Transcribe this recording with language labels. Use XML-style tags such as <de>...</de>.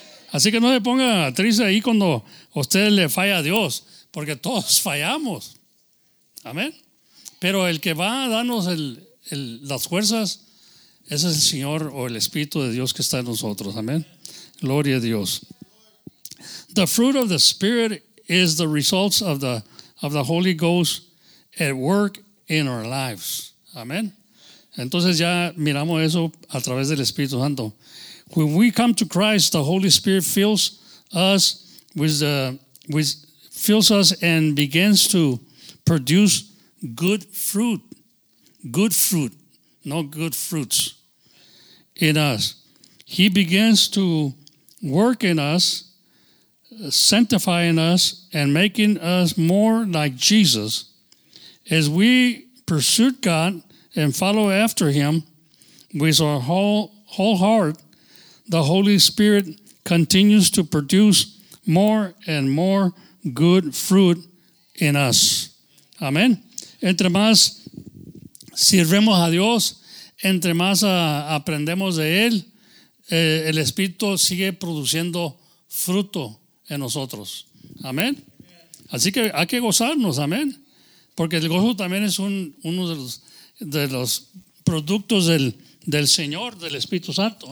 <es>Así que no se ponga triste ahí cuando usted le falla a Dios, porque todos fallamos. Amén. Pero el que va a darnos las fuerzas, ese es el Señor o el Espíritu de Dios que está en nosotros. Amén. Gloria a Dios.</es> <en>The fruit of the Spirit is the results of the Holy Ghost at work in our lives.</en> <es>Amén. Entonces ya miramos eso a través del Espíritu Santo.</es> <en>When we come to Christ, the Holy Spirit fills us and begins to produce good fruit. Good fruit, not good fruits in us. He begins to work in us, sanctifying us and making us more like Jesus. As we pursue God and follow after Him with our whole heart, the Holy Spirit continues to produce more and more good fruit in us.</en> <es>Amén. Entre más sirvemos a Dios, entre más aprendemos de Él, el Espíritu sigue produciendo fruto en nosotros. Amén. Así que hay que gozarnos, amén. Porque el gozo también es uno de los productos del Señor, del Espíritu Santo.</es>